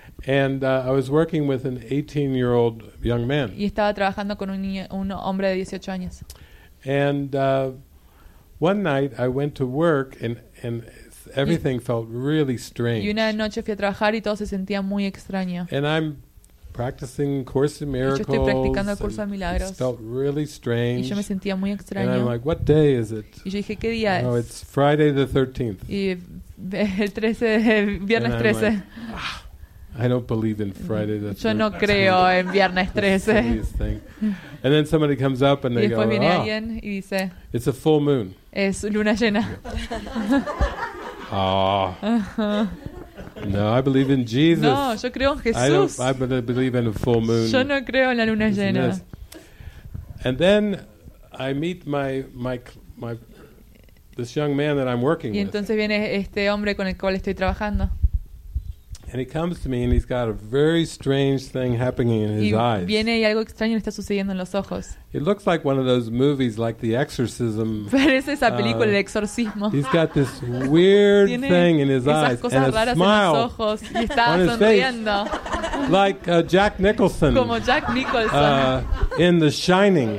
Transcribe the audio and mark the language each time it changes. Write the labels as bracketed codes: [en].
[en] And I was working with an 18-year-old young man. [es] Y estaba trabajando con un hombre de 18 años. [en] And one night I went to work and everything felt really strange. [es] Y una noche fui a trabajar y todo se sentía muy extraño. [en] And I'm practicing Course in Miracles. [es] Yo estoy practicando el curso de milagros. [en] It felt really strange. [es] Y yo me sentía muy extraño. [en] And I'm like, what day is it? [es] Y yo dije, ¿qué día es? [en] Oh, it's Friday the 13th. [es] Y el 13, viernes 13. [en] I don't believe in Friday the 13th. [es] Yo no creo en viernes 13. [en] And then somebody comes up and they go, [es] y viene alguien y dice, [en] it's a full moon. [es] Es luna llena. [en] Ah. No, I believe in Jesus. [es] No, yo creo en Jesús. [en] I don't believe in a full moon. [es] Yo no creo en la luna llena. [en] And then I meet my this young man that I'm working with. [es] Y entonces viene este hombre con el cual estoy trabajando. [en] And he comes to me and he's got a very strange thing happening in his eyes. [es] Y viene y algo extraño le está sucediendo en los ojos. [en] It looks like one of those movies like The Exorcism. [es] Parece esa película El Exorcismo. [en] He's got this weird thing in his eyes and a smile [es] en los ojos y está sonriendo. [en] Like Jack Nicholson. [es] Como Jack Nicholson. [en] In The Shining.